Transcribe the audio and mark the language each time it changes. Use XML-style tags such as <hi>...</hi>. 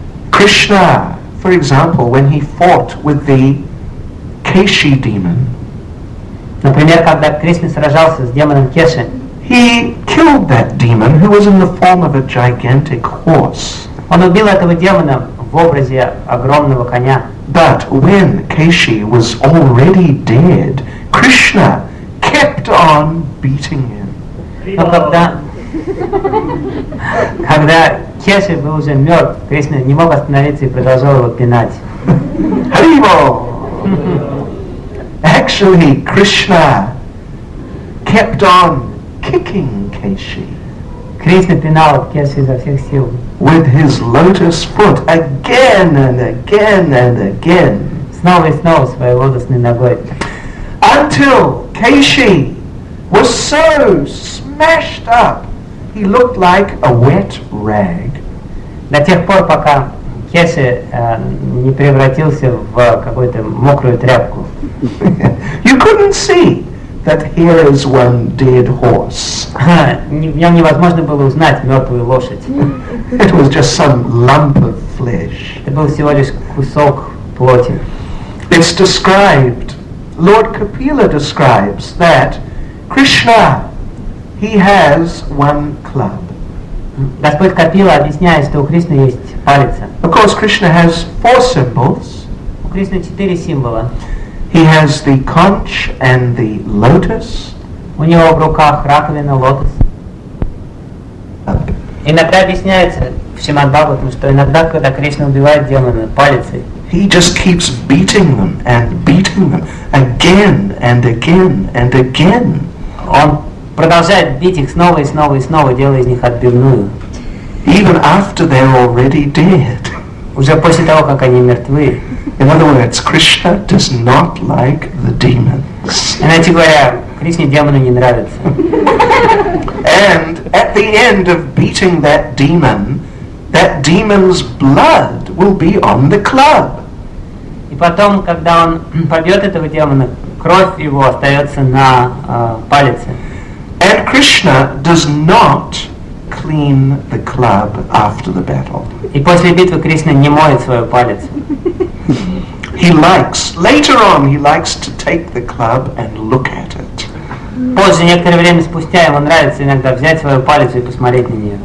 <en>Krishna, for example, when he fought with the Keshi demon,</en> <ru>например, когда Кришна сражался с демоном Кеши,</ru> <en>he killed that demon who was in the form of a gigantic horse.</en> <ru>Он убил этого демона в образе огромного коня.</ru> <en>But when Keshi was already dead, Krishna kept on beating him.</en> <ru>Но когда Кеши был уже мертв, Кришна не мог остановиться и продолжал его пинать. Харибол!</ru> <en>actually Krishna kept on kicking Keshi.</en> <ru>Krishna пинал Кеши изо всех сил.</ru> <en>With his lotus foot again and again and again.</en> <ru>Снова и снова своей лотосной ногой.</ru> <en>Until Keshi was so smashed up, he looked like a wet rag.</en> <ru>До тех пор, пока Кеши не превратился в какую-то мокрую тряпку.</ru> <en>You couldn't see that here is one dead horse.</en> <ru>В нем невозможно было узнать мертвую лошадь.</ru> <en>It was just some lump of flesh.</en> <ru>Это был всего лишь кусок плоти.</ru> <en>It's described, Lord Kapila describes that Krishna, he has one club.</en> <ru>Господь Капила объясняет, что у Кришны есть палец.</ru> <en>Of course, Krishna has four symbols.</en> <ru>У Кришны четыре символа.</ru> <en>He has the conch and the lotus.</en> <ru>У него в руках раковина, лотос. Иногда объясняется в Шримад-Бхагаватам, что иногда, когда Кришна убивает демона палицей,</ru> <en>he just keeps beating them again and again and again.</en> <ru>Он продолжает бить их снова и снова и снова, делая из них отбивную.</ru> <en>Even after they're already dead.</en> <ru>Уже после того, как они мертвы.</ru> <en>In other words, Krishna does not like the demons.</en> <ru>Иначе говоря, Кришне демоны не нравятся.</ru> <en>And at the end of beating that demon's blood will be on the club.</en> <ru>И потом, когда он побьет этого демона, кровь его остается на палице.</ru> <en>And Krishna does not clean the club after the battle.</en> <ru>И после битвы Кришна не моет свою палец.</ru> <en>He likes, later on, he likes to take the club and look at it.</en> <ru>Позже, некоторое время спустя, ему нравится иногда взять свою палец и посмотреть на нее.</ru>